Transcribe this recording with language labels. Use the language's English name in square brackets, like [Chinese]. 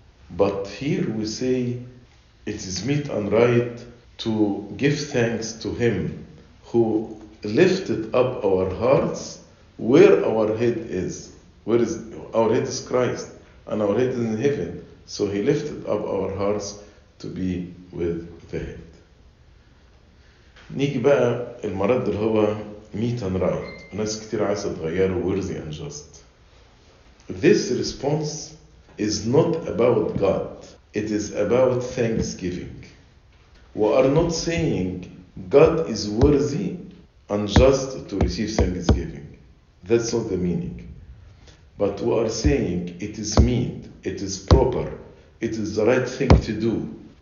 [English] But here we say, it is meet and right to give thanks to Him who lifted up our hearts where our head is. Where is our head is Christ, and our head is in heaven. So He lifted up our hearts to be with the head. [Arabic] نيجي بقى المرد اللي هو [English] meet and right. [Arabic] ناس كتير عايزة تغيره [English] worthy and just. This response is not about God. It is about thanksgiving. We are not saying God is worthy unjust to receive thanksgiving. That's not the meaning. But we are saying it is meet, it is proper, it is the right thing to do.